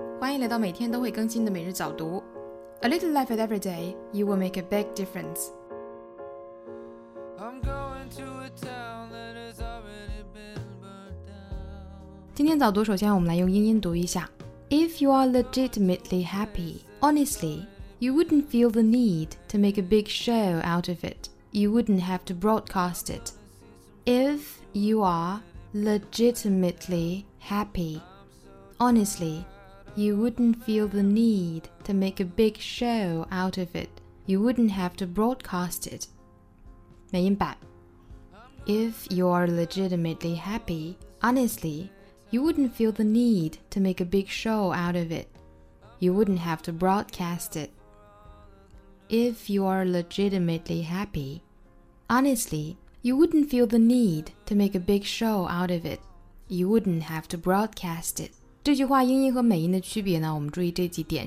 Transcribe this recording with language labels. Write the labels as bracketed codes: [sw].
[zh] 欢迎来到每天都会更新的每日早读。 [en] A little life at every day, you will make a big difference. I'm going to a town that has already been burned down. [zh] 今天早读首先我们来用英音读一下。 [en] If you are legitimately happy, honestly, you wouldn't feel the need to make a big show out of it. You wouldn't have to broadcast it. If you are legitimately happy,Honestly, you wouldn't feel the need to make a big show out of it. You wouldn't have to broadcast it. [zh] 美音版 [en] If you are legitimately happy, honestly, you wouldn't feel the need to make a big show out of it. You wouldn't have to broadcast it. If you are legitimately happy, honestly, you wouldn't feel the need to make a big show out of it. You wouldn't have to broadcast it. [zh] 这句话英音和美音的区别呢，我们注意这几点。